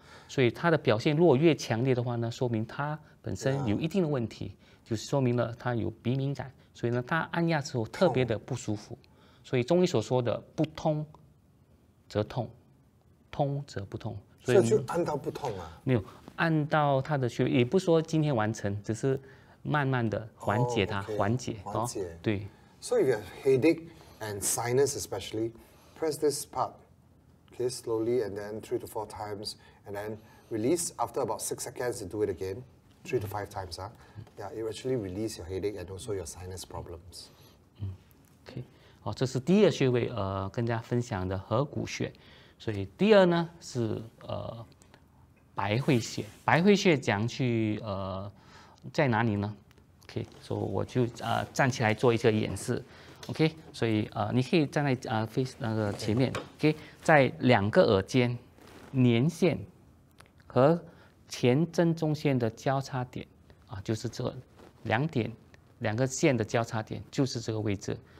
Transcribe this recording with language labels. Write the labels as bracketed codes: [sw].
[zh] 所以它的表现如果越强烈的话呢，说明它本身有一定的问题，就是说明了它有鼻敏感，所以呢，它按压之后特别的不舒服。所以中医所说的不通则痛，通则不痛，所以就按到不痛啊？没有，按到它的穴位，也不说今天完成，只是。慢慢的缓解它，缓解，对。 [en] So if you have headache and sinus especially, press this part, okay, slowly and then 3 to 4 times, and then release after about 6 seconds. Do it again, 3 to 5 times. Yeah, it actually release your headache and also your sinus problems. Okay. [zh] 这是第二穴位，跟大家分享的合谷穴。所以第二呢是百会穴。百会穴怎样去在哪里呢 ？OK， 所、so、以我就站起来做一个演示 ，OK， 所以你可以站在那个前面 ，OK， 在两个耳尖黏线和前正中线的交叉点就是这两点两个线的交叉点就是这个位置，